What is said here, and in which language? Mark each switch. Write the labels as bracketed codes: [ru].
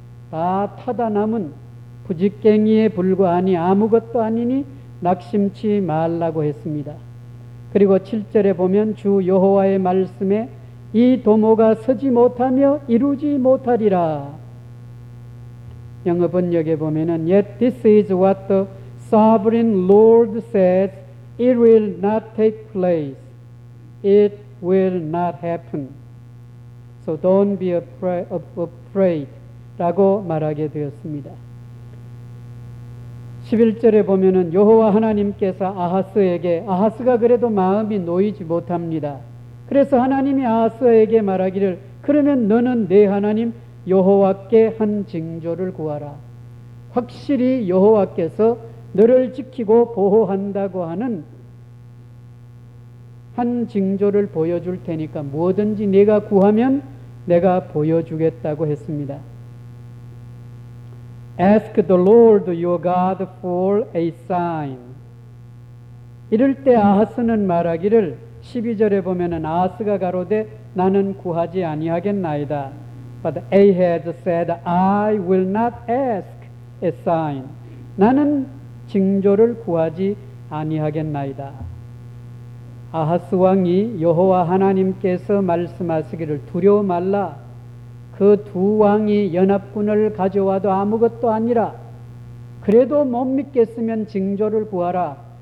[ko] 다 타다 남은 부직갱이에 불과하니 아무것도 아니니 낙심치 말라고 했습니다. 그리고 7절에 보면 주 여호와의 말씀에 이 도모가 서지 못하며 이루지 못하리라. 영어 번역에 보면은 [en] Yet this is what the sovereign Lord says, it will not take place. It will not happen. So don't be afraid. [ko] 라고 말하게 되었습니다. 11절에 보면은 여호와 하나님께서 아하스에게, 아하스가 그래도 마음이 놓이지 못합니다. 그래서 하나님이 아하스에게 말하기를, 그러면 너는 내 하나님 여호와께 한 징조를 구하라. 확실히 여호와께서 너를 지키고 보호한다고 하는 한 징조를 보여줄 테니까 뭐든지 네가 구하면 내가 보여주겠다고 했습니다. [en] Ask the Lord your God for a sign. [ko] 이럴 때 아하스는 말하기를, 12절에 보면은 아하스가 가로되 나는 구하지 아니하겠나이다. [en] But Ahaz said, I will not ask a sign. [ko] 나는 징조를 구하지 아니하겠나이다. 아하스 왕이 여호와 하나님께서 말씀하시기를 두려워 말라. 그 두 왕이 연합군을 가져와도 아무것도 아니라 그래도 못 믿겠으면 징조를 구하라.